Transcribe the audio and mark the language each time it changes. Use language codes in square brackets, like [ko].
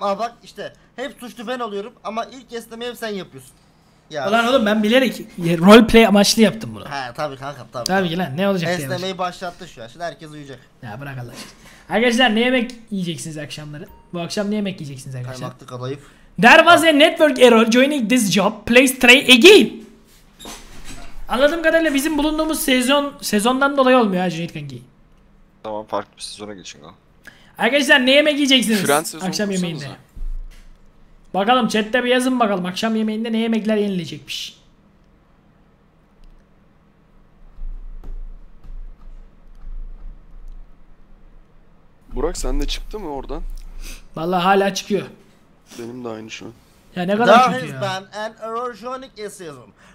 [tr] Bak, bak işte hep suçlu ben oluyorum ama ilk esnemeyi hep sen yapıyorsun. Ya. Ulan oğlum ben bilerek roleplay amaçlı yaptım bunu. He tabii kankam tabii. Tabii lan ne olacak? Esnemeyi başlattı şu an. Şimdi herkes uyuyacak. Ya bırak Allah. Arkadaşlar ne yemek yiyeceksiniz akşamları? Bu akşam ne yemek yiyeceksiniz arkadaşlar? Kaymaklı kadayıf. [en] There was a network error joining this job. Please try again. [tr] Anladığım kadarıyla bizim bulunduğumuz sezondan dolayı olmuyor ha Cüneyt kanki. Tamam farklı bir sezona geçin kanka. Arkadaşlar ne yemek yiyeceksiniz akşam yemeğinde? Bakalım chatte bir yazın bakalım akşam yemeğinde ne yemekler yenilecekmiş. Burak sen de çıktı mı oradan? Vallahi hala çıkıyor. Benim de aynı şu an. Ya ne kadar kötü ya. [en] There has been an erosionic season.